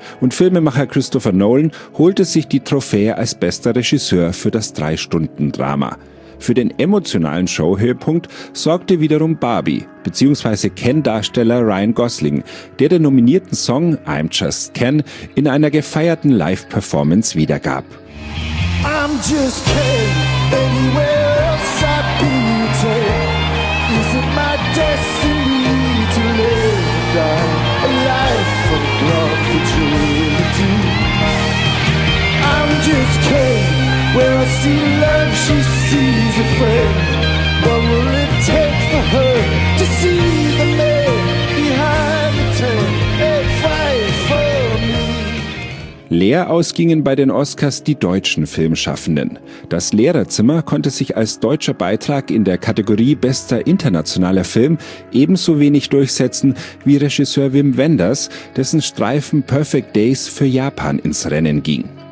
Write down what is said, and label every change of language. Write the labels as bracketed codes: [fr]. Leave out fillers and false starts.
[de] Und Filmemacher Christopher Nolan holte sich die Trophäe als bester Regisseur für das 3-Stunden-Drama. Für den emotionalen Showhöhepunkt sorgte wiederum Barbie bzw. Ken-Darsteller Ryan Gosling, der den nominierten Song I'm Just Ken in einer gefeierten Live-Performance wiedergab. [en] I'm just Ken, anywhere else I'd be Ken. Is it my destiny to live down a life of love for truity? I'm just Ken, where I see love, she sees a friend. What will it take for her to see the man behind the tent? [de] Leer ausgingen bei den Oscars die deutschen Filmschaffenden. Das Lehrerzimmer konnte sich als deutscher Beitrag in der Kategorie bester internationaler Film ebenso wenig durchsetzen wie Regisseur Wim Wenders, dessen Streifen Perfect Days für Japan ins Rennen ging.